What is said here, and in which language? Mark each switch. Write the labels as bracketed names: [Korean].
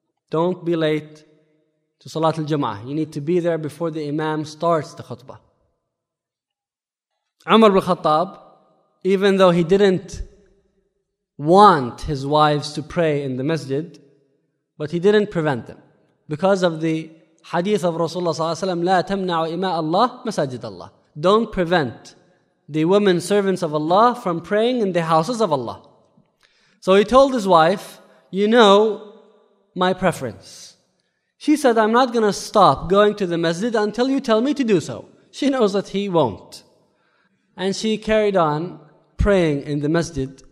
[English] Don't be late to Salat al-Jum'ah. You need to be there before the imam starts the khutbah. Umar ibn Khattab, even though he didn't want his wives to pray in the masjid, but he didn't prevent them. Because of the hadith of [Arabic] Rasulullah صلى الله عليه وسلم, لا تمنع إماء الله مساجد الله. [English] Don't prevent the women servants of Allah from praying in the houses of Allah. So he told his wife, you know my preference. She said, I'm not going to stop going to the masjid until you tell me to do so. She knows that he won't. And she carried on praying in the masjid.